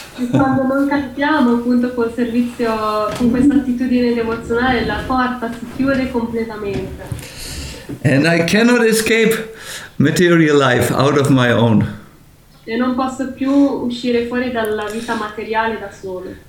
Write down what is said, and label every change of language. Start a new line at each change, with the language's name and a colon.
Italian: Quando non cantiamo appunto col servizio, con questa attitudine devozionale, la porta si chiude completamente.
English: And I cannot escape material life out of my own.
Italian: E non posso più uscire fuori dalla vita materiale da solo.